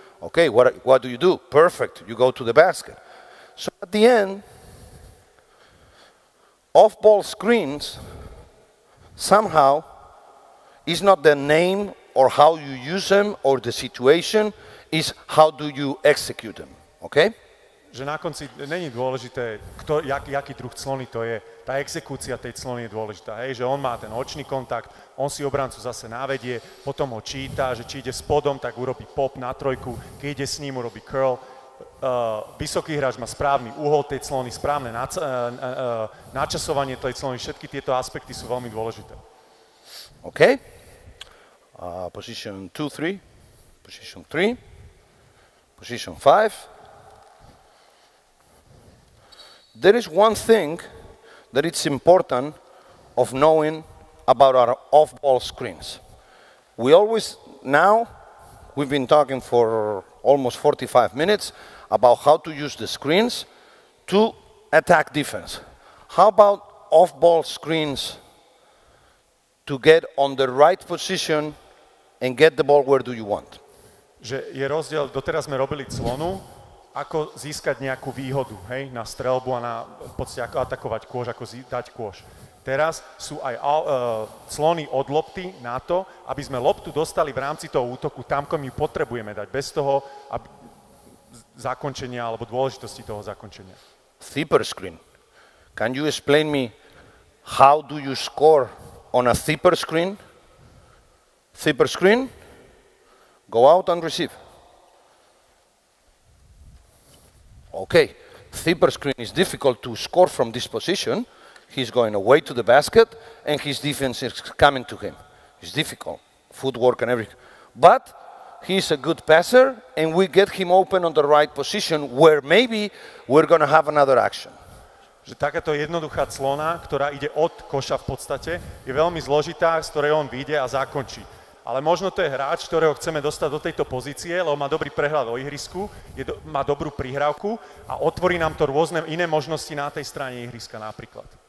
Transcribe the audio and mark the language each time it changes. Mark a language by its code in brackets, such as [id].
[en] Okay, what do you do? Perfect. You go to the basket. So at the end, off-ball screens, somehow, is not the name or how you use them, or the situation, is how do you execute them, okay? [sk] Že na konci není dôležité, jaký druh clony to je. Tá exekúcia tej clony je dôležitá, hej? Že on má ten očný kontakt, on si obrancu zase navedie, potom ho číta, že či ide spodom, tak urobí pop na trojku, keď ide s ním, urobí curl. vysoký hráč má správny uhol tej clony, správne načasovanie tej clony, všetky tieto aspekty sú veľmi dôležité. [en] OK. Position 2, 3. Position 3. Position 5. There is one thing that it's important of knowing about our off-ball screens. We always, now, we've been talking for almost 45 minutes about how to use the screens to attack defense. How about off-ball screens to get on the right position and get the ball where do you want? [sk] Že je rozdiel, doteraz sme robili clonu, ako získať nejakú výhodu, hej, na strelbu a na, v podstate, ako atakovať kôž, ako dať kôž. Teraz sú aj clony od lopty na to, aby sme loptu dostali v rámci toho útoku tam, kom ju potrebujeme dať, bez toho aby, zakončenia alebo dôležitosti toho zakončenia. [en] Zipper screen. Can you explain me how do you score on a zipper screen? Zipper screen? Go out and receive. Okay, zipper screen is difficult to score from this position. He's going away to the basket and his defense is coming to him. It's difficult, footwork and everything. But he's a good passer and we get him open on the right position where maybe we're going to have another action. [sk] Že takáto jednoduchá clona, ktorá ide od koša v podstate, je veľmi zložitá, z ktorej on vyjde a zakončí. Ale možno to je hráč, ktorého chceme dostať do tejto pozície, lebo má dobrý prehľad o ihrisku, má dobrú prihrávku a otvorí nám to rôzne iné možnosti na tej strane ihriska napríklad.